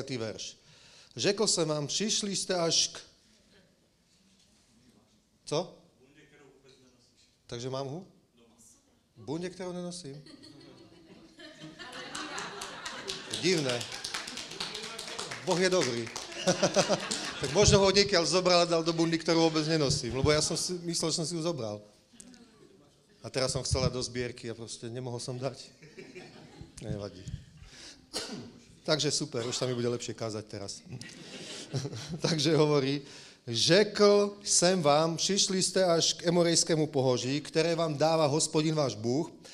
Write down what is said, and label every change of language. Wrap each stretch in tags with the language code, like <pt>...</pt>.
<sk>verš,</sk> <cs>řekl</cs> <sk>som vám, prišli ste až k... Co? Bunde, ktorú vôbec nenosíš. Takže mám hu? Doma. Bunde, ktorú nenosím. Divné. Boh je dobrý. Tak možno ho niekiaľ zobral a dal do bundy, ktorú vôbec nenosím, lebo ja som si myslel, že som si ju zobral. A teraz som chcel dať do zbierky a proste nemohol som dať. Nevadí. Takže super, už sa mi bude lepšie kázať teraz. Takže hovorí,</sk> <cs>Řekl jsem vám, přišli jste až k Emorejskému pohoří, které vám dává Hospodin váš Bůh.</cs>